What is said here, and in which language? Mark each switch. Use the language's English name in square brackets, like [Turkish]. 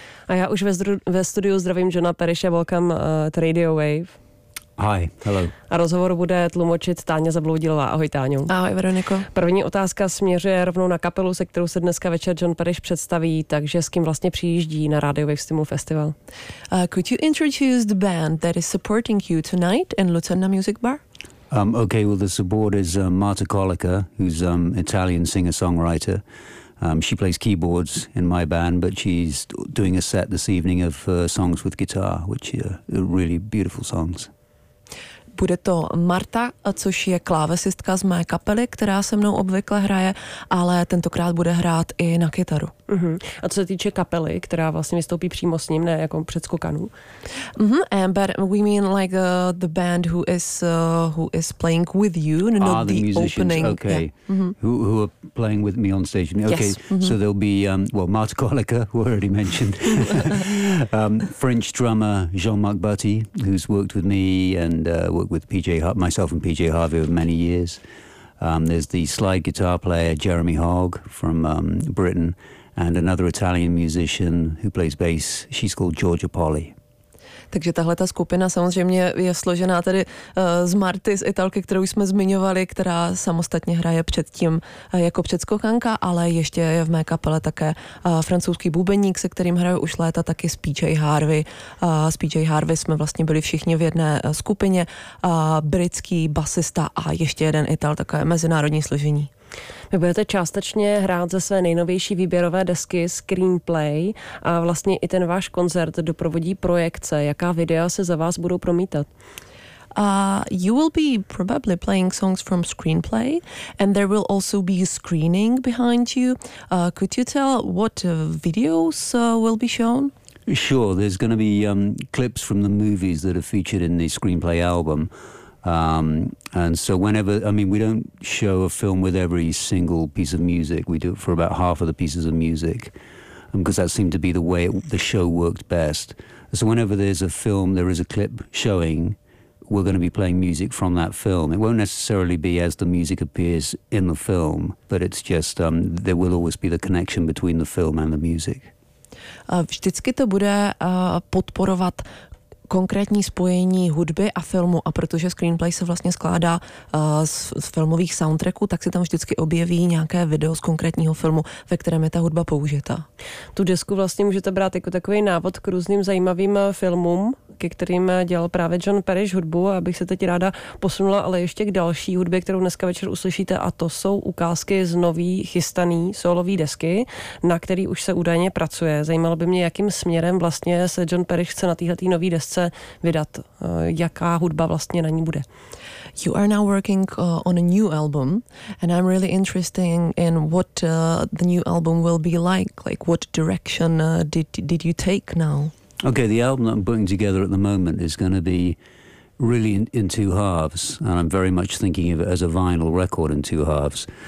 [Czech] A já už ve studiu zdravím Johna Parrisha, [English] welcome to Radio Wave. Hi, hello. [Czech] A rozhovor bude tlumočit Táňa Zabloudilová. Ahoj Táňu. Ahoj Veroniko. První otázka směřuje rovnou na kapelu, se kterou se dneska večer John Parrish představí, takže s kým vlastně přijíždí na Radio Wave Stimul Festival. [English] Could you introduce the band that is supporting you tonight in Lucerna Music Bar? The support is Marta Kolika, who's Italian singer-songwriter. She plays keyboards in my band, but she's doing a set this evening of songs with guitar, which are really beautiful songs. [Czech] Bude to Marta, což je klávesistka z mé kapely, která se mnou obvykle hraje, ale tentokrát bude hrát i na kytaru. Uh-huh. A co se týče kapely, která vlastně vystoupí přímo s ním, ne jako předskokanů? Uh-huh. [English] But we mean like the band who is playing with you, not the musicians. Opening. Okay. Yeah. Uh-huh. Who are playing with me on stage? Okay. Yes. Uh-huh. So there'll be Marta Kolika, who I already mentioned. French drummer Jean-Marc Butty, who's worked with me and worked with myself and PJ Harvey over many years. There's the slide guitar player Jeremy Hogg from Britain and another Italian musician who plays bass. She's called Georgia Polly. [Czech] Takže tahle ta skupina samozřejmě je složená tedy z Marty, z Italky, kterou jsme zmiňovali, která samostatně hraje předtím jako předskokanka, ale ještě je v mé kapele také francouzský bubeník, se kterým hraju už léta, taky s PJ Harvey. S PJ Harvey jsme vlastně byli všichni v jedné skupině, britský basista a ještě jeden Ital, takové mezinárodní složení. Vy budete částečně hrát ze své nejnovější výběrové desky Screenplay a vlastně i ten váš koncert doprovodí projekce. Jaká videa se za vás budou promítat? [English] You will be probably playing songs from Screenplay and there will also be a screening behind you. Could you tell what videos will be shown? Sure, there's going to be clips from the movies that are featured in the Screenplay album. And so whenever, we don't show a film with every single piece of music. We do it for about half of the pieces of music because that seemed to be the way the show worked best. So whenever there's a film, there is a clip showing, we're going to be playing music from that film. It won't necessarily be as the music appears in the film, but it's just there will always be the connection between the film and the music. [Czech] Vždycky to bude podporovat konkrétní spojení hudby a filmu a protože Screenplay se vlastně skládá z filmových soundtracků, tak se tam vždycky objeví nějaké video z konkrétního filmu, ve kterém je ta hudba použita. Tu desku vlastně můžete brát jako takový návod k různým zajímavým filmům, ke kterým dělal právě John Parrish hudbu a abych se teď ráda posunula ale ještě k další hudbě, kterou dneska večer uslyšíte a to jsou ukázky z nový chystaný solový desky, na který už se údajně pracuje. Zajímalo by mě, jakým směrem vlastně se John Parrish chce na téhle nový desce vydat, jaká hudba vlastně na ní bude. [English] You are now working on a new album and I'm really interested in what the new album will be like what direction did you take now? Okay, the album that I'm putting together at the moment is going to be really in two halves, and I'm very much thinking of it as a vinyl record in two halves.